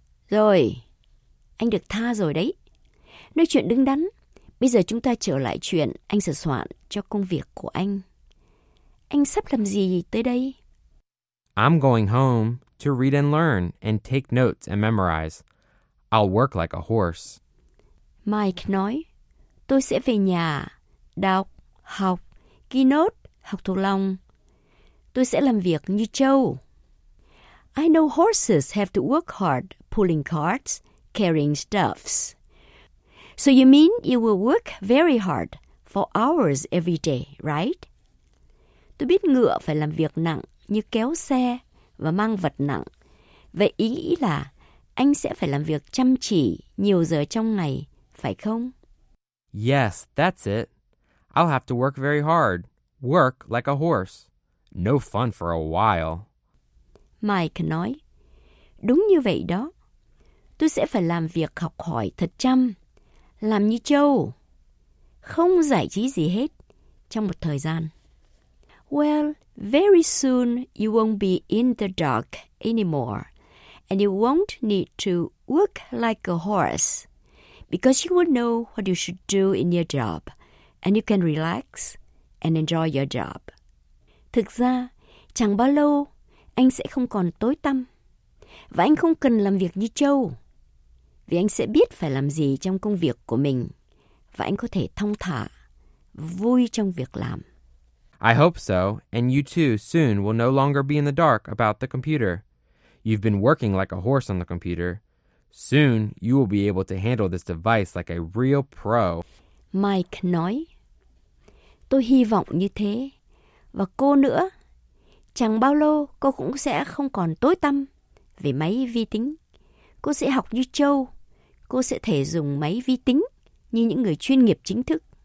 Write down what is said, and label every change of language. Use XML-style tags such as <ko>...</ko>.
<vi>Rồi. Anh được tha rồi đấy. Nói chuyện đứng đắn. Bây giờ chúng ta trở lại chuyện anh sửa soạn cho công việc của anh. Anh sắp làm gì tới đây?</vi> <en>I'm going home to read and learn and take notes and memorize. I'll work like a horse.</en> <vi>Mike nói, tôi sẽ về nhà, đọc, học, ghi nốt, học thuộc lòng. Tôi sẽ làm việc như trâu.</vi> <en>I know horses have to work hard pulling carts, carrying stuffs. So you mean you will work very hard for hours every day, right?</en> <vi>Tôi biết ngựa phải làm việc nặng như kéo xe và mang vật nặng. Vậy ý nghĩ là anh sẽ phải làm việc chăm chỉ nhiều giờ trong ngày, phải không?</vi> <en>Yes, that's it. I'll have to work very hard. Work like a horse. No fun for a while.</en> <vi>Mike nói, đúng như vậy đó. Tôi sẽ phải làm việc học hỏi thật chăm, làm như trâu, không giải trí gì hết trong một thời gian.</vi> <en>Well, very soon you won't be in the dark anymore, and you won't need to work like a horse, because you will know what you should do in your job, and you can relax and enjoy your job.</en> <vi>Thực ra, chẳng bao lâu, anh sẽ không còn tối tăm, và anh không cần làm việc như trâu, vì anh sẽ biết phải làm gì trong công việc của mình, và anh có thể thong thả, vui trong việc làm.</vi> <en>I hope so, and you too soon will no longer be in the dark about the computer. You've been working like a horse on the computer. Soon, you will be able to handle this device like a real pro.</en> <vi>Mike nói, tôi hy vọng như thế. Và cô nữa, chẳng bao lâu cô cũng sẽ không còn tối tăm về máy vi tính. Cô sẽ học như trâu. Cô sẽ thể dùng máy vi tính như những người chuyên nghiệp chính thức.</vi>